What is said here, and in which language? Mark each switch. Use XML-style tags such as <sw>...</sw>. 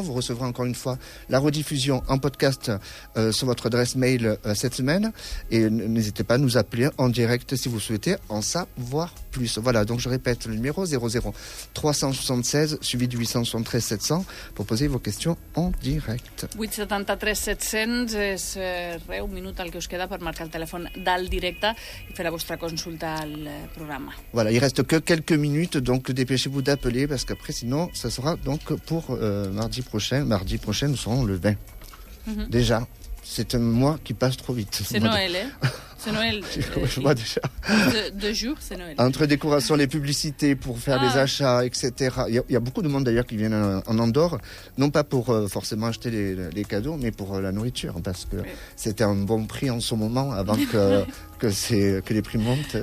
<fr>Vous recevrez encore une fois la rediffusion en podcast sur votre adresse mail cette semaine. Et n'hésitez pas à nous appeler en direct si vous souhaitez en savoir plus. Voilà, donc je répète le numéro 00 376 suivi du 873 700 pour poser vos questions en direct.</fr> <ca>873 700 és un minut el que us queda per marcar el telèfon dalt directe i fer la vostra consulta al programa.</ca> <fr>Voilà, il reste que quelques minutes donc dépêchez-vous d'appeler parce qu'après sinon ça sera donc pour mardi prochain nous serons le 20. Déjà c'est un mois qui passe trop vite. C'est Noël, hein? C'est Noël. Je vois déjà. Deux jours, c'est Noël. Entre décoration, les publicités pour faire des achats, etc. Il y a beaucoup de monde d'ailleurs qui viennent en Andorre, non pas pour forcément acheter les cadeaux, mais pour la nourriture, parce que c'était un bon prix en ce moment avant que les prix montent.</fr>